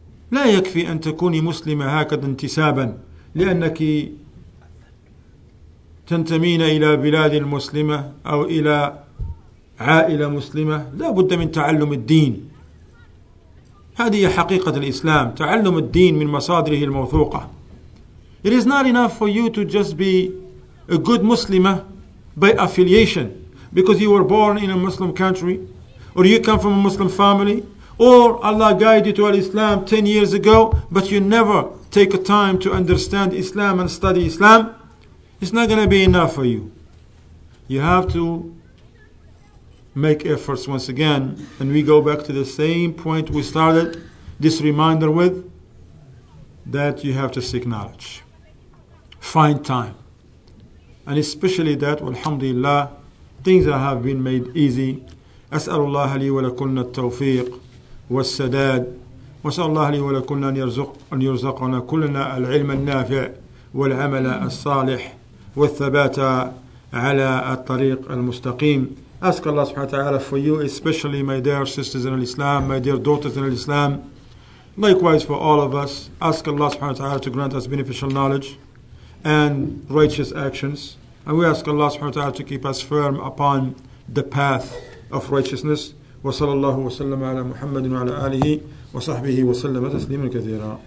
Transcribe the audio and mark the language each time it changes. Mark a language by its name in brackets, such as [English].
[Arabic] لا يكفي أن تكوني مسلمة هكذا انتسابا لأنك تنتمين إلى بلاد المسلمة أو إلى عائلة مسلمة، لا بد من تعلم الدين. هذه حقيقة الإسلام، تعلم الدين من مصادره الموثوقة. [English] It is not enough for you to just be a good Muslim by affiliation because you were born in a Muslim country or you come from a Muslim family, or Allah guided you to Islam 10 years ago, but you never take a time to understand Islam and study Islam. It's not going to be enough for you. You have to make efforts once again. And we go back to the same point we started this reminder with, that you have to seek knowledge. Find time. And especially that, alhamdulillah, things have been made easy. [Arabic] أسأل الله لي ولكلنا التوفيق والسداد، وسأل الله لي ولكلنا أن يرزقنا كلنا العلم النافع والعمل الصالح والثبات على الطريق المستقيم. [English] Ask Allah [Arabic] سبحانه وتعالى [English] for you, especially my dear sisters in Islam, my dear daughters in Islam. Likewise for all of us, ask Allah [Arabic] سبحانه وتعالى [English] to grant us beneficial knowledge and righteous actions. And we ask Allah [Arabic] سبحانه وتعالى [English] to keep us firm upon the path of righteousness. [Arabic] وصلى الله وسلم على محمد وعلى آله وصحبه وسلم تسليما كثيرا.